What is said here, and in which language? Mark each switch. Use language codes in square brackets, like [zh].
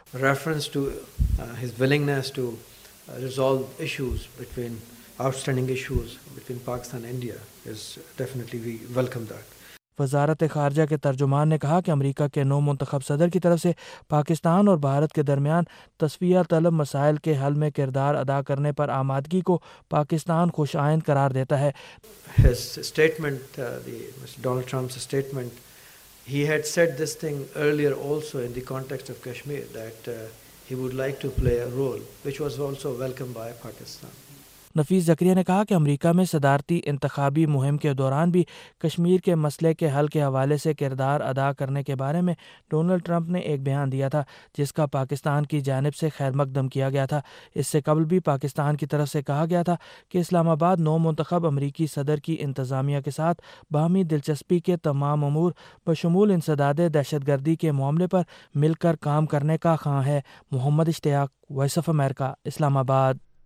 [en] Reference to his willingness to resolve issues between outstanding issues between Pakistan India is definitely we welcome that. [ur] وزارت خارجہ کے ترجمان نے کہا کہ امریکہ کے نو منتخب صدر کی طرف سے پاکستان اور بھارت کے درمیان تصفیہ طلب مسائل کے حل میں کردار ادا کرنے پر آمادگی کو پاکستان خوش آئند قرار دیتا ہے۔ [en] His statement, Donald Trump's statement, he had said this thing earlier also in the context of Kashmir that he would like to play a role which was also welcomed by Pakistan. [ur] نفیس زکریا نے کہا کہ امریکہ میں صدارتی انتخابی مہم کے دوران بھی کشمیر کے مسئلے کے حل کے حوالے سے کردار ادا کرنے کے بارے میں ڈونلڈ ٹرمپ نے ایک بیان دیا تھا جس کا پاکستان کی جانب سے خیر مقدم کیا گیا تھا۔ اس سے قبل بھی پاکستان کی طرف سے کہا گیا تھا کہ اسلام آباد نو منتخب امریکی صدر کی انتظامیہ کے ساتھ باہمی دلچسپی کے تمام امور بشمول انسداد دہشت گردی کے معاملے پر مل کر کام کرنے کا خواہاں ہے۔ محمد اشتیاق، وائس آف امریکہ، اسلام آباد۔